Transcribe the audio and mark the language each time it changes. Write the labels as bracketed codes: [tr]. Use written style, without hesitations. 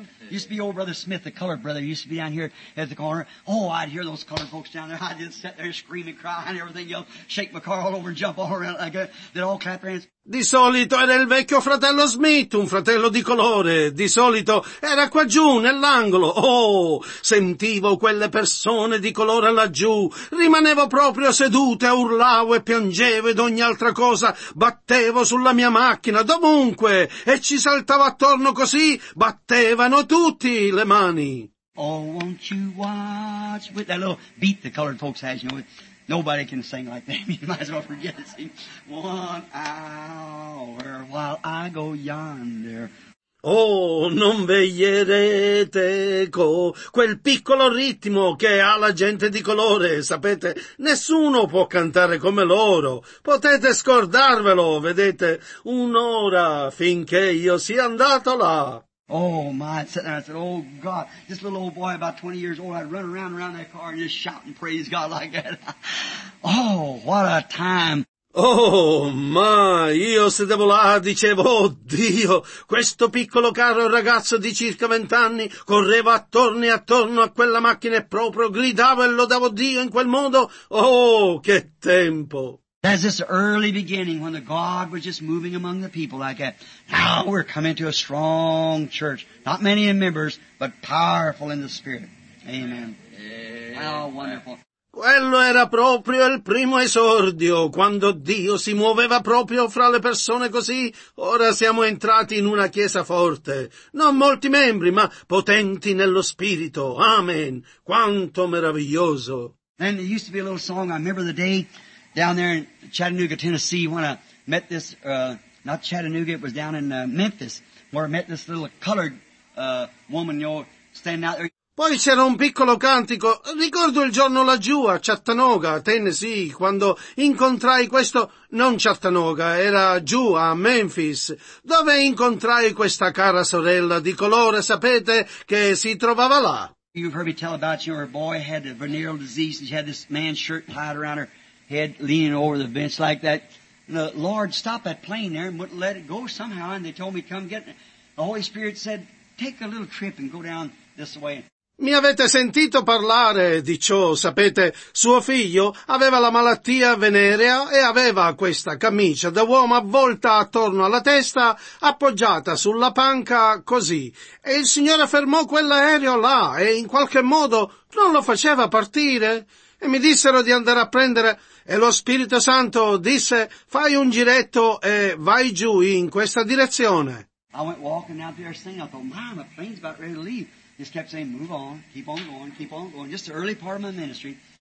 [en] Used to be old Brother Smith, the colored brother, used to be down here at the corner. Oh, I'd hear those colored folks down there. I'd just sit there screaming, crying, and everything, yell, shake my car all over and jump all around like that. They'd all clap their hands. [it] Di solito era il vecchio fratello Smith, un fratello di colore. Di solito era qua giù, nell'angolo. Oh, sentivo quelle persone di colore laggiù. Rimanevo proprio seduto, urlavo e piangevo ed ogni altra cosa. Battevo sulla mia macchina, dovunque. E ci saltavo attorno così, battevano tutti le mani. [en] Oh, won't you watch with that little beat the colored folks has, you know. Nobody can sing like them. You might as well forget to sing. 1 hour while I go yonder. [it] Oh, non veglierete co quel piccolo ritmo che ha la gente di colore, sapete? Nessuno può cantare come loro. Potete scordarvelo, vedete? Un'ora finché io sia andato là. [en] Oh my, I'd sit there and I said, oh God, this little old boy about 20 years old, I'd run around that car and just shout and praise God like that. Oh, what a time. [it] Oh, ma io sedevo là, dicevo, oh Dio, questo piccolo caro ragazzo di circa 20 anni correva attorno e attorno a quella macchina e proprio gridava e lodavo Dio in quel modo. Oh, che tempo. [en] That's this early beginning when the God was just moving among the people like that. Now we're coming to a strong church. Not many in members, but powerful in the Spirit. Amen. How wonderful. [it] Quello era proprio il primo esordio, quando Dio si muoveva proprio fra le persone così. Ora siamo entrati in una chiesa forte. Non molti membri, ma potenti nello Spirito. Amen. Quanto meraviglioso. [en] And there used to be a little song, I remember the day, down there in Chattanooga, Tennessee, when I met this, not Chattanooga, it was down in Memphis, where I met this little colored woman, you know, standing out there. [it] Poi c'era un piccolo cantico, ricordo il giorno laggiù a Chattanooga, Tennessee, quando incontrai questo, non Chattanooga, era giù a Memphis, dove incontrai questa cara sorella di colore, sapete, che si trovava là. [en] You've heard me tell about, you know, her boy had a venereal disease, and she had this man's shirt tied around her head leaning over the bench like that. And the Lord stopped that plane there and wouldn't let it go somehow, and they told me to come get it. The Holy Spirit said, take a little trip and go down this way. [it] Mi avete sentito parlare di ciò, sapete? Suo figlio aveva la malattia venerea e aveva questa camicia da uomo avvolta attorno alla testa, appoggiata sulla panca così. E il Signore fermò quell'aereo là e in qualche modo non lo faceva partire. E mi dissero di andare a prendere, e lo Spirito Santo disse, fai un giretto e vai giù in questa direzione. [en] I went walking out there saying, I thought, my plane's about ready to leave. Just kept saying, move on, keep on going, keep on going. Just the early part of my ministry.